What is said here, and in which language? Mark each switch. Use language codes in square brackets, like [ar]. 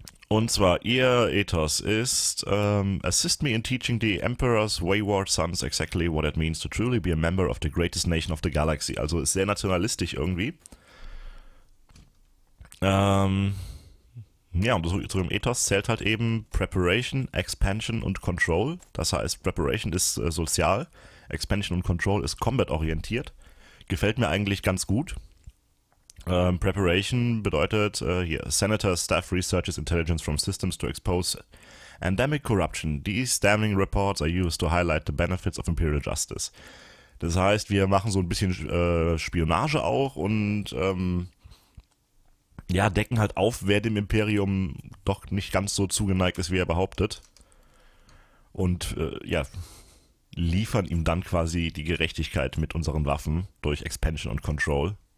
[de] Und zwar, ihr Ethos ist, [en] assist me in teaching the Emperor's wayward sons exactly what it means to truly be a member of the greatest nation of the galaxy. [de] Also ist sehr nationalistisch irgendwie. Ja, und zu dem Ethos zählt halt eben Preparation, Expansion und Control. Das heißt, Preparation ist sozial, Expansion und Control ist combat-orientiert. Gefällt mir eigentlich ganz gut. [en] Preparation [de] bedeutet hier, [en] Senator Staff researches intelligence from systems to expose endemic corruption. These damning reports are used to highlight the benefits of imperial justice. [de] Das heißt, wir machen so ein bisschen Spionage auch und ja, decken halt auf, wer dem Imperium doch nicht ganz so zugeneigt ist, wie er behauptet. Und ja, liefern ihm dann quasi die Gerechtigkeit mit unseren Waffen durch Expansion und Control.